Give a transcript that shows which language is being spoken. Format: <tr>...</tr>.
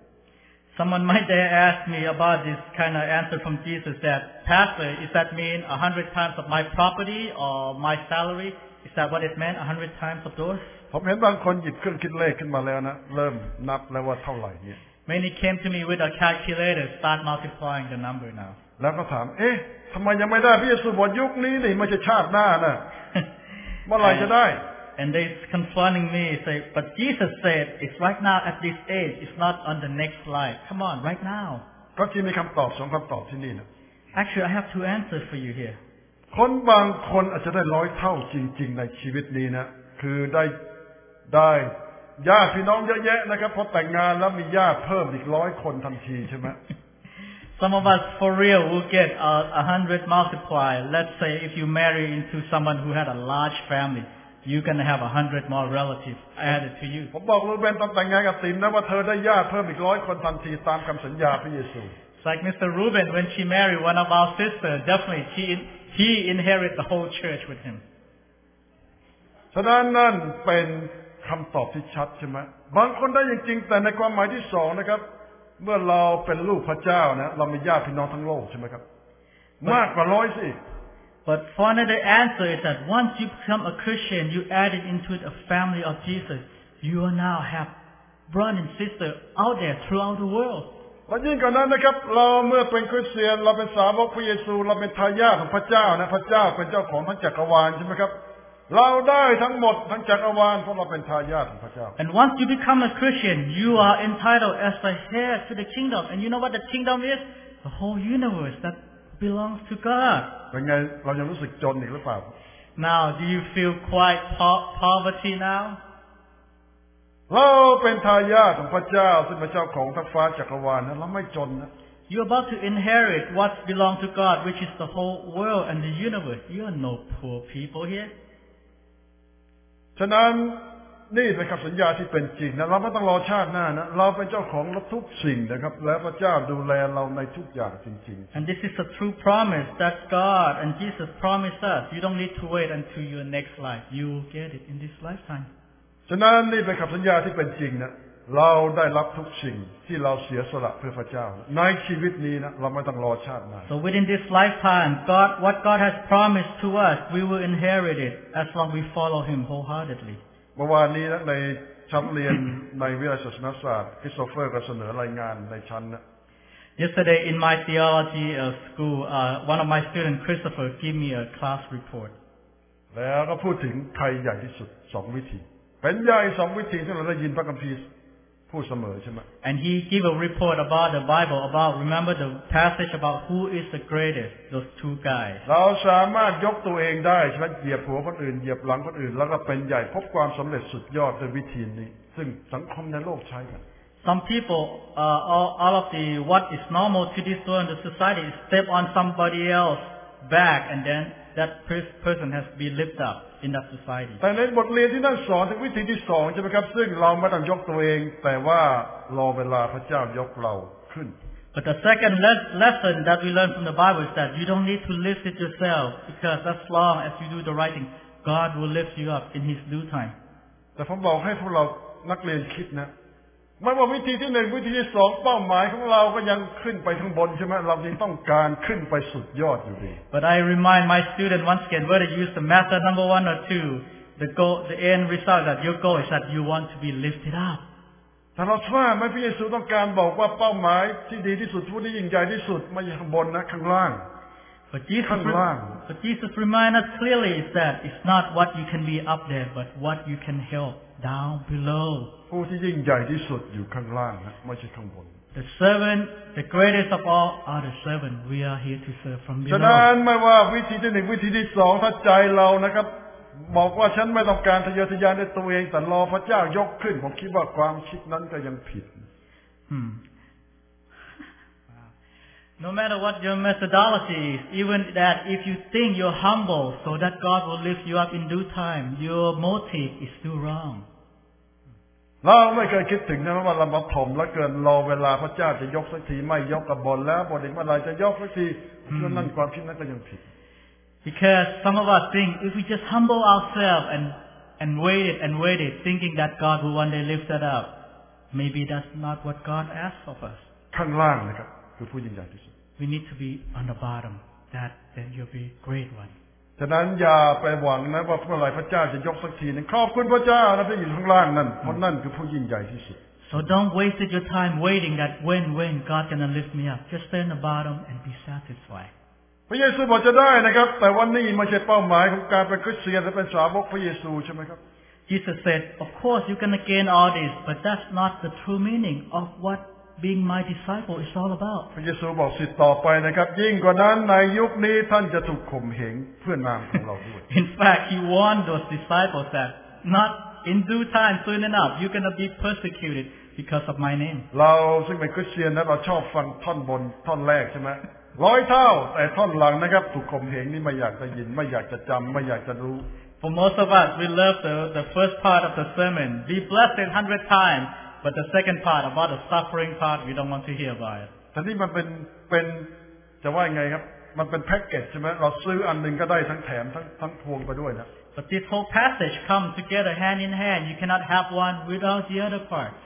<en>Someone might dare ask me about this kind of answer from Jesus that Pastor, is that mean 100 times of my property or my salary? Is that what it meant 100 times of those?</en> <th>ผมเห็นบางคนหยิบเครื่องคิดเลขขึ้นมาแล้วนะเริ่มนับแล้วว่าเท่าไหร่เนี่ย</th> <en>Many came to me with a calculator start multiplying the number now</en> <th>แล้วก็ถามเอ๊ะทำไมยังไม่ได้พระเยซูบอกยุคนี้นี่ไม่ใช่ชาติหน้านะเมื่อไหร่จะได้</th> <en>And they confronting me say but Jesus said it's right now at this age it's not on the next life come on right now</en> <th>ก็ที่มีคำตอบสองคำตอบที่นี่นะ</th> <en>Actually I have two answers for you here</en> <th>คนบางคนอาจจะได้ร้อยเท่าจริงๆในชีวิตนี้นะคือได้ ได้ญาติพี่น้องเยอะแยะนะครับพอแต่งงานแล้วมีญาติเพิ่มอีก100คนทันทีใช่มั้ย</th> <en>Some of us for real will get a 100 multiplier. Let's say if you marry into someone who had a large family, you're going to have 100 more relatives added to you.</en> <th>ผมบอกลูเบนตอนแต่งงานกับสินนะว่าเธอได้ญาติเพิ่มอีก100คนทันทีตามคำสัญญาพระเยซู</th> <en>Like Mr. Reuben, when she married one of our sisters, definitely he inherited the whole church with him.</en> <th>ฉะนั้นนั่นเป็นคำตอบที่ชัดใช่ไหมบางคนได้จริงๆแต่ในความหมายที่สองนะครับเมื่อเราเป็นลูกพระเจ้านะเรามีญาติพี่น้องทั้งโลกใช่ไหมครับมากกว่าร้อยสิ</th> <en>But for another answer is that once you become a Christian, you added into a family of Jesus, you are now have brothers and sisters out there throughout the world.</en> <th>และยิ่งกว่านั้นนะครับเราเมื่อเป็นคริสเตียนเราเป็นสาวกพระเยซูเราเป็นทายาทของพระเจ้านะพระเจ้าเป็นเจ้าของทั้งจักรวาลใช่ไหมครับเราได้ทั้งหมดทั้งจักรวาลเพราะเราเป็นทายาทของพระเจ้า</th> <en>And once you become a Christian you are entitled as the heir to the kingdom and you know what the kingdom is the whole universe that belongs to God</en> <th>เป็นไงเรายังรู้สึกจนอีกหรือเปล่า</th> <en>Now do you feel quite poverty now?</en> <th>เราเป็นทายาทของพระเจ้าซึ่งเป็นเจ้าของทั้งฟ้าจักรวาลนะเราไม่จนนะ</th> <en>You're about to inherit what belongs to God, which is the whole world and the universe. You are no poor people here.</en> <th>ฉะนั้นนี่เป็นคำสัญญาที่เป็นจริงนะเราไม่ต้องรอชาติหน้านะเราเป็นเจ้าของทุกสิ่งนะครับและพระเจ้าดูแลเราในทุกอย่างจริง</th> <en>ๆ And this is a true promise that God and Jesus promised us. You don't need to wait until your next life. You will get it in this lifetime.</en> <th>ฉะนั้นนี่เป็นคำสัญญาที่เป็นจริงนะเราได้รับทุกสิ่งที่เราเสียสละเพื่อพระเจ้าในชีวิตนี้นะเราไม่ต้องรอชาติหน้า</th> <en>So within this lifetime God what God has promised to us we will inherit it as long we follow him wholeheartedly</en> <th>เมื่อวานนี้นะในชั้นเรียนในวิทยาศาสนศาสตร์คริสโตเฟอร์ก็เสนอรายงานในชั้นนะ</th> <en>Yesterday in my theology school one of my students Christopher gave me a class report</en> <th>แล้วก็พูดถึงใครใหญ่ที่สุด2วิธีเป็นใหญ่สองวิธีที่เราได้ยินพระคัมภีร์พูดเสมอใช่ไหม</th> <en>And he gave a report about the Bible about remember the passage about who is the greatest those two guys</en> <th>เราสามารถยกตัวเองได้ใช่ไหมเหยียบหัวคนอื่นเหยียบหลังคนอื่นแล้วก็เป็นใหญ่พบความสำเร็จสุดยอดด้วยวิธีนี้ซึ่งสังคมในโลกใช้กัน</th> <en>Some people all of the what is normal to this world the society is step on somebody else back and then that person has been lifted upin that society</en> <th>แต่ในบทเรียนที่นั่นสอนถึงวิธีที่2ใช่มั้ยครับซึ่งเราไม่ต้องยกตัวเองแต่ว่ารอเวลาพระเจ้ายกเราขึ้น</th> <en>But the second lesson that we learn from the Bible is that you don't need to lift it yourself because as long as you do the right thing God will lift you up in his due time</en> <th>แต่ผมบอกให้พวกเรานักเรียนคิดนะไม่ว่าวิธีที่1วิธีที่2เป้าหมายของเราก็ยังขึ้นไปข้างบนใช่มั้ยเรายังต้องการขึ้นไปสุดยอดอยู่ดี</th> <en>But I remind my student once again whether you use the method number 1 or 2 the goal the end result that your goal is that you want to be lifted up</en> <th>แต่เราว่าไม่พระเยซูต้องการบอกว่าเป้าหมายที่ดีที่สุดผู้ที่ยิ่งใหญ่ที่สุดไม่อยู่ข้างบนนะข้างล่าง</th> <en>But Jesus remind us clearly is that it's not what you can be up there but what you can helpDown below.</en> <th>ผู้ที่ยิ่งใหญ่ที่สุดอยู่ข้างล่างนะไม่ใช่ข้างบน</th> <en>The servant, the greatest of all, are the servant. We are here to serve from below.</en> <th>ฉะนั้นไม่ว่าวิธีที่หนึ่งวิธีที่สองถ้าใจเรานะครับบอกว่าฉันไม่ต้องการทะเยอทะยานในตัวเองแต่รอพระเจ้ายกขึ้นผมคิดว่าความคิดนั้นก็ยังผิด</th> <en>No matter what your methodology is, even that if you think you're humble so that God will lift you up in due time, your motive is still wrong.</en> <th>เราไม่เคยคิดถึงนะว่าเราบ่ถ่อมแล้วเกินรอเวลาพระเจ้าจะยกสักทีไม่ยกกับบนแล้วบนอีกเมื่อไรจะยกสักทีนั่นความคิดนั้นก็ยังผิด</th> <en>Because some of us think if we just humble ourselves and waited, thinking that God will one day lift it up, maybe that's not what God asks of us.</en> <th>ข้างล่างนะครับคือผู้ยิ่งใหญ่ที่สุด</th> <en>We need to be on the bottom that then you'll be great one</en> <th>ฉะนั้นอย่าไปหวังนะว่าเมื่อไรพระเจ้าจะยกสักทีนึงขอบคุณพระเจ้านะที่อยู่ข้างล่างนั่นเพราะนั่นคือผู้ยิ่งใหญ่ที่สุด</th> <en>So don't waste your time waiting that when God gonna lift me up just stay on the bottom and be satisfied</en> <th>พระเยซูบอกจะได้นะครับแต่วันนี้ไม่ใช่เป้าหมายของการเป็นคริสเตียนและเป็นสาวกพระเยซูใช่ไหมครับ</th> <en>Jesus said of course you're gonna gain all this but that's not the true meaning of whatBeing my disciple is all about.</en> <th>พระเยซูบอกสิต่อไปนะครับยิ่งกว่านั้นในยุคนี้ท่านจะถูกข่มเหงเพื่อนามของเราด้วย</th> <en>In fact, he warned those disciples that not in due time, soon enough, you're going to be persecuted because of my name.</en> <th>เราซึ่งเป็นคริสเตียนนั้นเราชอบฟังท่อนบนท่อนแรกใช่ไหมร้อยเท่าแต่ท่อนหลังนะครับถูกข่มเหงนี่ไม่อยากจะยินไม่อยากจะจำไม่อยากจะรู้</th> <en>For most of us, we love the first part of the sermon. Be blessed 100 times, but the second part about the suffering part, we don't want to hear about it.</en> <th>ทีนี้มันเป็นจะว่ายังไงครับมันเป็นแพ็กเกจใช่ไหมเราซื้ออันหนึ่งก็ได้ทั้งแถมทั้งพวงไปด้วยนะ</th> <en>But this whole passage comes together hand in hand. You cannot have one without the other part.</en>